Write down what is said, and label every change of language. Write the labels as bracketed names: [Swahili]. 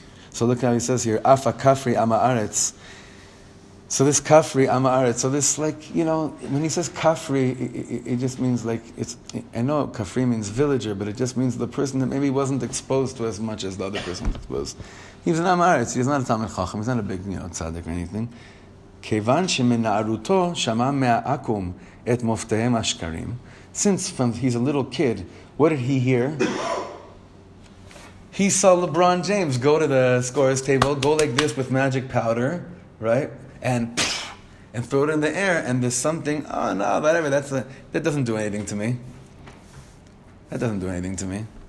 [English] So look how he says here, [Hebrew] Afa Kafri Ama Aretz. [English] So this Kafri Ama Aretz, so this like, you know, when he says Kafri, it just means like, it's. I know Kafri means villager, but it just means the person that maybe wasn't exposed to as much as the other person was exposed. He was an Ama Aretz, he's not a Talmid Chacham, he's not a big, you know, tzaddik or anything. [Hebrew] כיוון שמנערותו שמע מהעקום את מופתיהם השקרים. [English] Since from he's a little kid, what did he hear? He saw LeBron James go to the scorer's table, go like this with magic powder, right? And throw it in the air, and there's something, oh no, whatever, that doesn't do anything to me. That doesn't do anything to me.